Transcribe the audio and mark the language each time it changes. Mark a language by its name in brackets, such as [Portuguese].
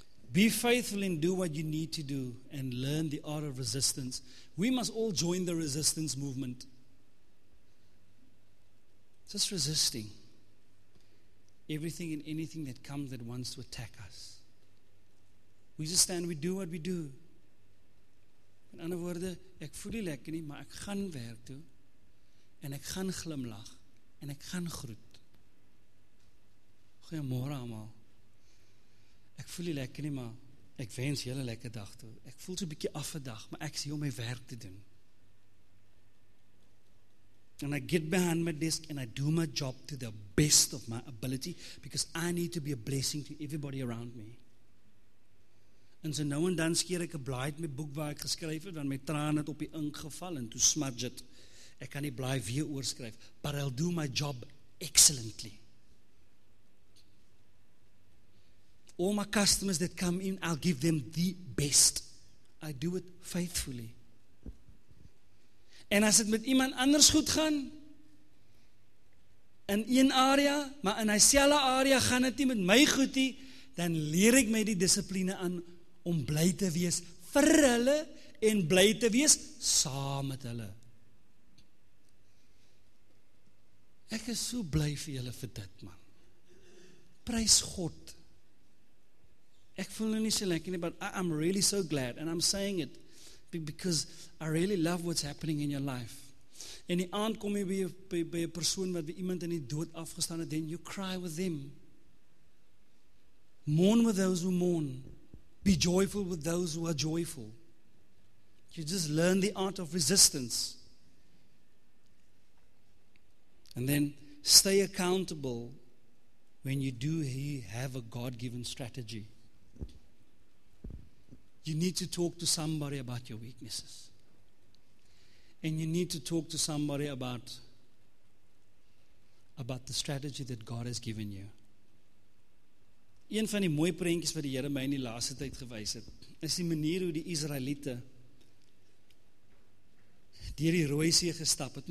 [English] Be faithful and do what you need to do and learn the art of resistance. We must all join the resistance movement. Just resisting everything and anything that comes that wants to attack us. We just stand, we do what we do. [Afrikaans] In ander woorde, ek voel nie lekker nie, maar ek gaan werk toe, en ek gaan glimlag, en ek gaan groet. Goeiemôre allemaal. Ek voel nie lekker nie, maar ek wens julle lekker dag toe. Ek voel so 'n bietjie af 'n dag, maar ek sien om my werk te doen. [English] And I get behind my desk, and I do my job to the best of my ability, because I need to be a blessing to everybody around me. [Afrikaans] En so nou en dan skeer ek 'n blaai uit my boek waar ek geskryf het, want my traan het op die ink geval en toe smudge het. Ek kan die blaai weer oorskryf, [English] but I'll do my job excellently. All my customers that come in, I'll give them the best. I do it faithfully. [Afrikaans] En as het met iemand anders goed gaan, in een area, maar in hy selfe area gaan het nie met my goed nie, dan leer ek my die discipline aan om bly te wees vir hulle en bly te wees saam met hulle. Ek is so bly vir julle vir dit, man. Prys God. Ek voel nie so lekker nie, [English] but I'm really so glad, and I'm saying it because I really love what's happening in your life. [Afrikaans] En die aand kom jy by 'n persoon wat by iemand in die dood afgestaan het, [English] then you cry with them. Mourn with those who mourn. Be joyful with those who are joyful. You just learn the art of resistance. And then stay accountable when you do have a God-given strategy. You need to talk to somebody about your weaknesses. And you need to talk to somebody about the strategy that God has given you. [Afrikaans] Een van die mooie prentjies wat die Here my in die laaste tyd gewys het, is die manier hoe die Israeliete deur die Rooi See gestap het.